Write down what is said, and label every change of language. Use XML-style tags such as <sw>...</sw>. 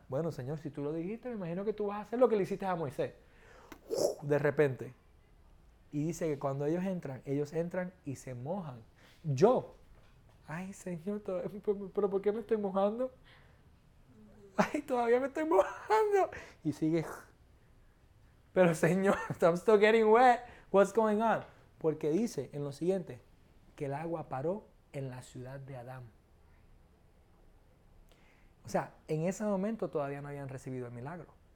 <es>Bueno, Señor, si tú lo dijiste, me imagino que tú vas a hacer lo que le hiciste a Moisés. De repente. Y dice que cuando ellos entran y se mojan. Yo. Ay, Señor, ¿pero por qué me estoy mojando? Ay, todavía me estoy mojando. Y sigue...</es> <en>Pero Señor, I'm still getting wet. What's going on?</en> <es>Porque dice en lo siguiente, que el agua paró en la ciudad de Adán. O sea, en ese momento todavía no habían recibido el milagro.</es>